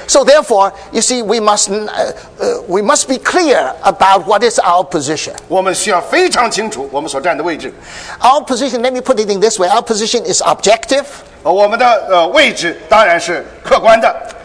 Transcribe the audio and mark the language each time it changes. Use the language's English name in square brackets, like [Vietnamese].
[English] So therefore, you see, we must be clear about what is our position. [Chinese] 我们需要非常清楚我们所站的位置。 [English] Our position, let me put it in this way, our position is objective. [Chinese] 我们的位置当然是客观的。